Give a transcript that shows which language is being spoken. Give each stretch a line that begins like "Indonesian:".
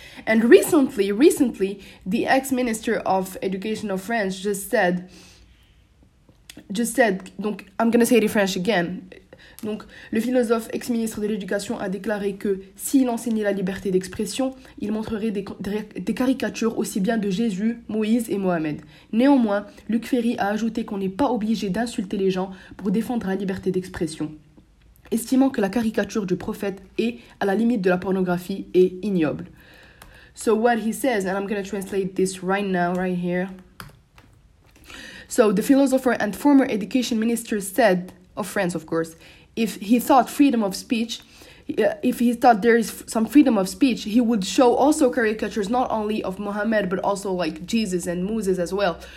English: And recently, the ex-minister of education of France just said, donc, I'm going to say it in French again.
French: Donc, le philosophe ex-ministre de l'éducation a déclaré que s'il enseignait la liberté d'expression, il montrerait des caricatures aussi bien de Jésus, Moïse et Mohamed. Néanmoins, Luc Ferry a ajouté qu'on n'est pas obligé d'insulter les gens pour défendre la liberté d'expression, estimant que la caricature du prophète est, à la limite de la pornographie, est ignoble.
English: So what he says, and I'm going to translate this right now, right here. So the philosopher and former education minister said, of France, of course, if he thought there is some freedom of speech, he would show also caricatures not only of Muhammad but also like Jesus and Moses as well.